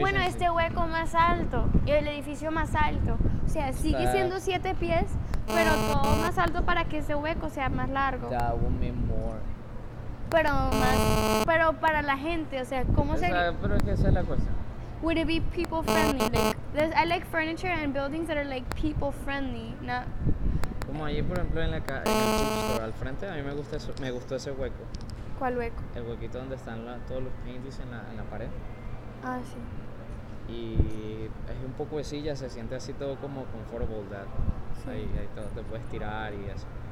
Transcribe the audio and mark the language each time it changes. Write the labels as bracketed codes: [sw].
[es] Bueno, este hueco más alto y el edificio más alto. O sea, sigue siendo 7 pies. Pero todo más alto para que ese hueco sea más largo. [en] That would mean more. [es] Pero para la gente, o sea, ¿cómo sería? Pero es que esa es la cuestión. [en] Would it be people friendly? Like, I like furniture and buildings that are like people friendly, not. [es] Como allí, por ejemplo, en la en el bookstore al frente, a mí me gusta eso, me gustó ese hueco. ¿Cuál hueco? El huequito donde están todos los paintings en la pared. Ah, sí. Y es un poco de silla, se siente así todo como comfortable, that. Ahí todo, te puedes tirar y eso.